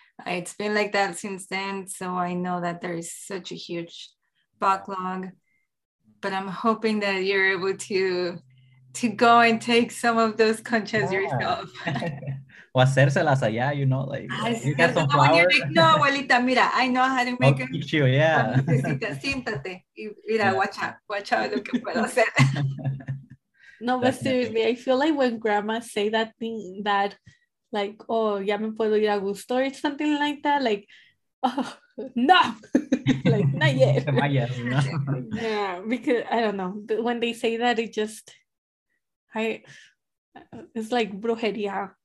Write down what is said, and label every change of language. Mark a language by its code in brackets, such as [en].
[en] It's been like that since then. So I know that there is such a huge backlog, but I'm hoping that you're able to go and take some of those conchas yourself. [es] O hacérselas allá, [en] you know, like, you got some flowers. You're like, [es] no, abuelita, mira, [en] I know how to make it. I'll teach you, yeah. [es] Siéntate. Mira, [en] watch out [es] lo que puedo hacer. [en] No, but seriously, I feel like when grandmas say that thing, that, like, oh, [es] ya me puedo ir a gusto, [en] or something like that, like, oh, no. Like, not yet. Yeah, because I don't know, when they say that, it just, it's like brujeria.